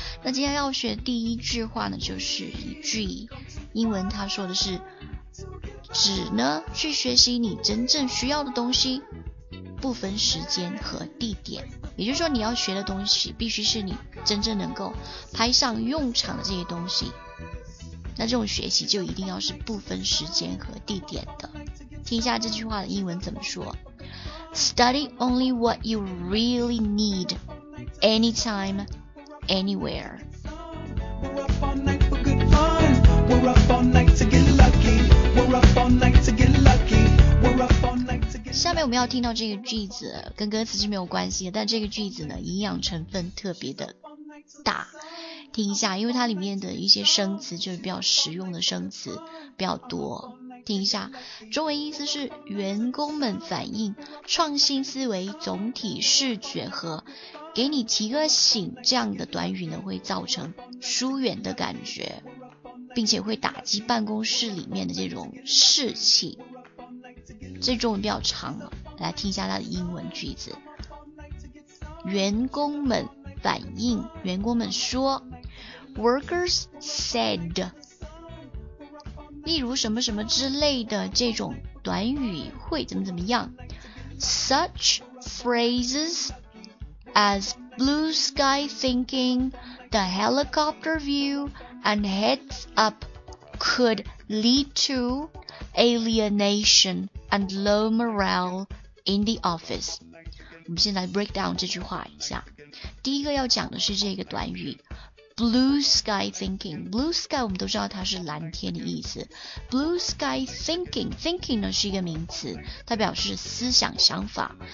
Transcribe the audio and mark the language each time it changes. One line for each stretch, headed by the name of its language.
Chinese: 那今天要学第一句话呢，就是一句英文，他说的是只呢去学习你真正需要的东西，不分时间和地点。也就是说，你要学的东西必须是你真正能够派上用场的这些东西，那这种学习就一定要是不分时间和地点的。听一下这句话的英文怎么说，
English: Study only what you really need anytime anywhere。 We're up all night for good fun, we're up all night to get lucky, we're up all night to get lucky。
Chinese: 下面我们要听到这个句子跟歌词是没有关系的，但这个句子呢营养成分特别的大，听一下，因为它里面的一些生词就是比较实用的生词比较多，听一下。中文意思是员工们反映创新思维、总体视觉和给你提个醒这样的短语呢，会造成疏远的感觉，并且会打击办公室里面的这种士气。这中文比较长了，来听一下它的英文句子。员工们反映，员工们说
English: ，workers said，
Chinese: 例如什么什么之类的这种短语会怎么怎么样
English: ，such phrases as blue sky thinking, the helicopter view, and heads up could lead to alienation。 And low morale in the office。
Chinese: 我们先来
English: break down
Chinese: 这句话一下。第一个要讲的是这个短语 blue sky thinking。 blue sky 我们都知道它是蓝天的意思， blue sky thinking， thinking 呢是一个名词，它表示思想想法。